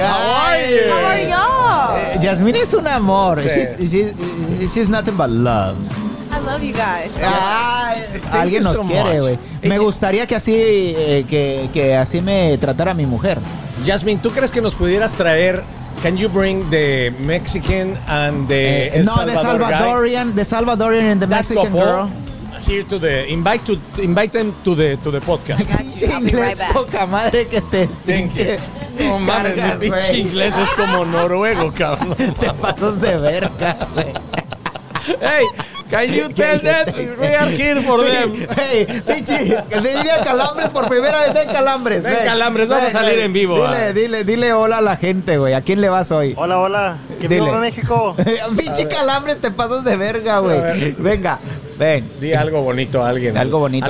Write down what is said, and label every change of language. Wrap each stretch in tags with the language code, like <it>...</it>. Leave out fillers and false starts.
<en>How are you? How are you?</en> <es>Yasmín es un amor. Sí.</es> <en>She's nothing but love. I love you guys.</en> <es>Ay, alguien nos so quiere, güey. Me gustaría que así que así me tratara mi mujer. Yasmín, ¿tú crees que nos pudieras traer?</es> <en>Can you bring the Mexican and the El Salvador guy? No, the Salvadorian and the Mexican girl. Here to the invite them to the podcast.</en> <es>Pinche inglés,</es> <en>right,</en> <es>poca madre que te.</es> <en>Thank you.</en> <es>No mames, mi pinche inglés es como noruego, cabrón. Te pasas de verga, güey.</es> <en>Hey, can you tell them we are here for sí, them?</en> <es>Hey, chichi, le diría Calambres por primera vez, den Calambres. Ven Calambres, vas a salir en vivo. Dile hola a la gente, güey. ¿A quién le vas hoy? Hola, hola. ¿Qué dile. Vivo en México? Pinche Calambres, te pasas de verga, güey. Venga, ven. Di algo bonito a alguien. Algo bonito.</es>